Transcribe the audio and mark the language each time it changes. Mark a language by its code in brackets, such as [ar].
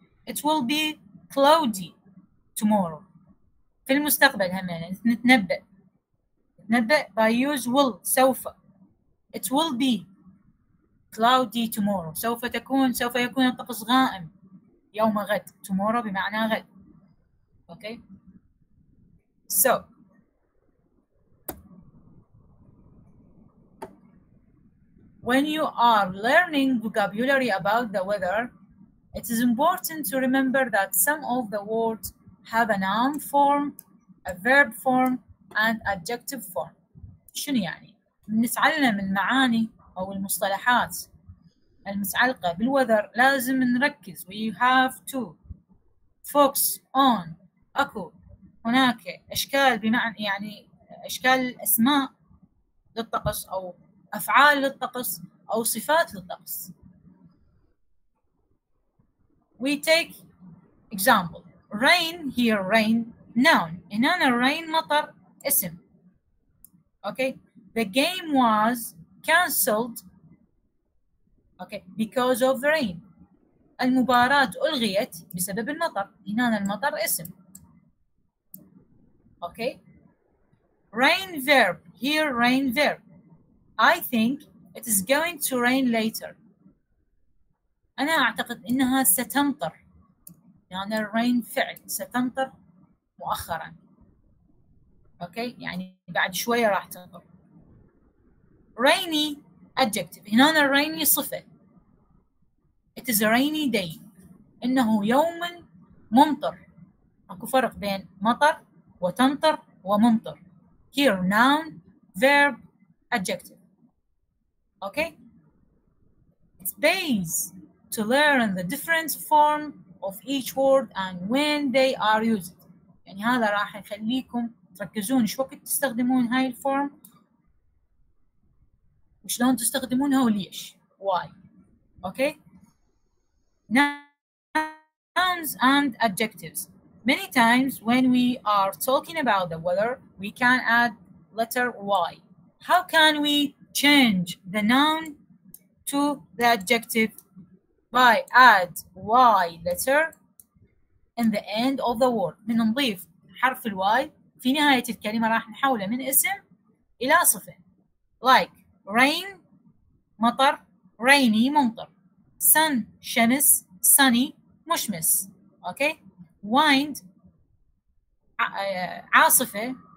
[en] It will be cloudy tomorrow. [ar] في المستقبل همينة نتنبأ. [en] نتنبأ by use will سوف. It will be cloudy tomorrow. [ar] سوف يكون الطقس غائم يوم غد. Tomorrow بمعنى غد. Okay. [en] So, when you are learning vocabulary about the weather, it is important to remember that some of the words have a noun form, a verb form, and adjective form. [ar] شنو يعني؟ نتعلم المعاني أو المصطلحات المتعلقة بالweather لازم نركز. [en] We have to focus on [ar] أكو هناك أشكال بمعنى يعني أشكال أسماء للطقس أو أفعال للطقس أو صفات للطقس. [en] We take example. Rain here, rain noun. [ar] هنا rain مطر اسم. Okay. [en] The game was cancelled. Okay. Because of rain. [ar] المباراة ألغيت بسبب المطر. هنا المطر اسم. [en] Okay. Rain verb. Here rain verb. I think it is going to rain later. [ar] أنا أعتقد إنها ستمطر. يعني الرين فعل ستمطر مؤخرا. Okay. يعني بعد شوية راح تمطر. [en] Rainy adjective. [ar] هنا الرين صفة. [en] It is a rainy day. [ar] إنه يوم ممطر. أكو فرق بين مطر وتمطر وممطر. [en] Here noun, verb, adjective. Okay. It's base to learn the different form of each word and when they are used. [ar] يعني هذا راح يخليكم تركزون شو وقت تستخدمون هاي الفورم وشلون تستخدمونها وليش. [en] Why. Okay. Nouns and adjectives. Many times when we are talking about the weather, we can add letter Y. How can we change the noun to the adjective by add Y letter in the end of the word? [ar] من نضيف حرف الY في نهاية الكلمة راح نحوله من اسم إلى صفة. [en] Like rain, مطر, rainy, ممطر. Sun, شمس, sunny, مشمس. Okay. Wind, عاصفة.